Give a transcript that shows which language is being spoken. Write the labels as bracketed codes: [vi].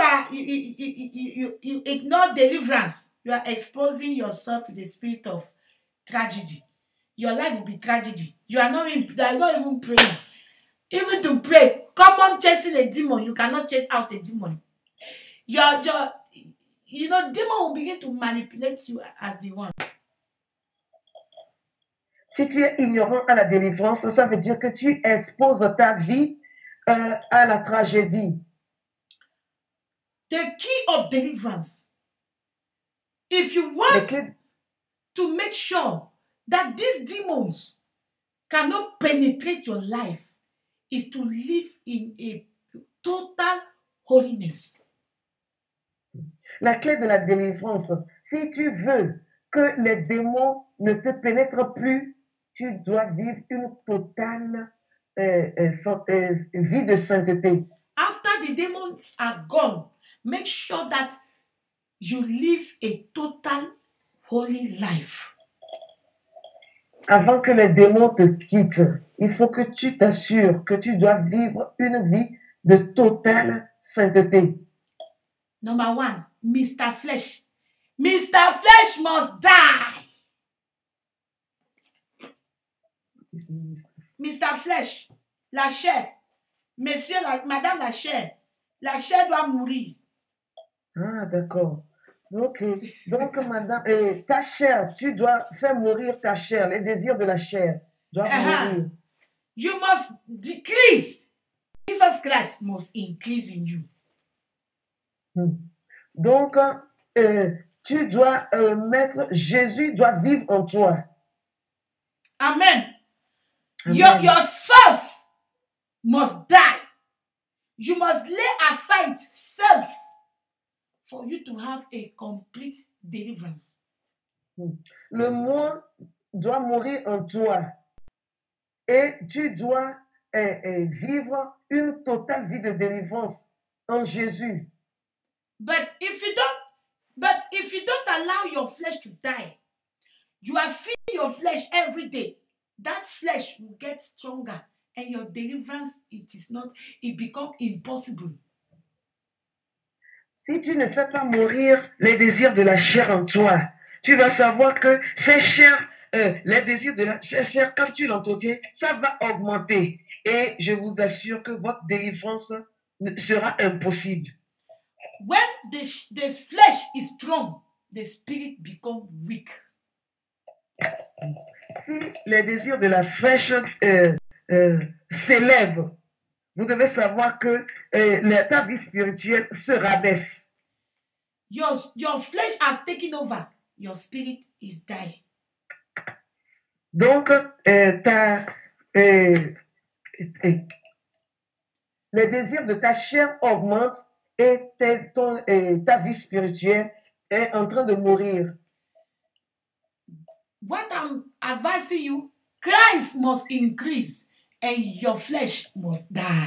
[en] You ignore deliverance, you are exposing yourself to the spirit of tragedy. Your life will be tragedy. You are not even praying. Even to pray, come on, chasing a demon, you cannot chase out a demon. Your demon will begin to manipulate you as they want. [fr] Si tu es ignorant à la délivrance, ça veut dire que tu exposes ta vie à la tragédie. [en] The key of deliverance. If you want to make sure that these demons cannot penetrate your life, is to live in a total holiness. [fr] La clé de la délivrance, si tu veux que les démons ne te pénètrent plus, tu dois vivre une totale vie de sainteté. [en] After the demons are gone, make sure that you live a total holy life. [fr] Avant que les démons te quittent, il faut que tu t'assures que tu dois vivre une vie de totale sainteté. [en] Number one, Mr. Flesh. Mr. Flesh must die. Mr. Flesh, [fr] la chair. Monsieur, madame la chair. La chair doit mourir. Ah, d'accord. Ok. Donc, madame, ta chair, tu dois faire mourir ta chair. Les désirs de la chair doivent mourir. [en] You must decrease. Jesus Christ must increase in you. [fr] Donc, tu dois mettre Jésus doit vivre en toi. [en] Amen. Yourself must die. You must lay aside self for you to have a complete deliverance. [fr] Le moi doit mourir en toi et tu dois vivre une totale vie de délivrance en Jésus. [en] But if you don't allow your flesh to die, you are feeding your flesh every day. That flesh will get stronger and your deliverance, it becomes impossible. [fr] Si tu ne fais pas mourir les désirs de la chair en toi, tu vas savoir que ces chairs, les désirs de la chair, quand tu l'entretiens, ça va augmenter. Et je vous assure que votre délivrance sera impossible. [en] When the flesh is strong, the spirit becomes weak. [fr] Si les désirs de la flèche s'élèvent, vous devez savoir que ta vie spirituelle se rabaisse. [en] Your flesh has taken over. Your spirit is dying. [fr] Donc, les désirs de ta chair augmentent et ta vie spirituelle est en train de mourir. [en] What I'm advising you, Christ must increase and your flesh must die.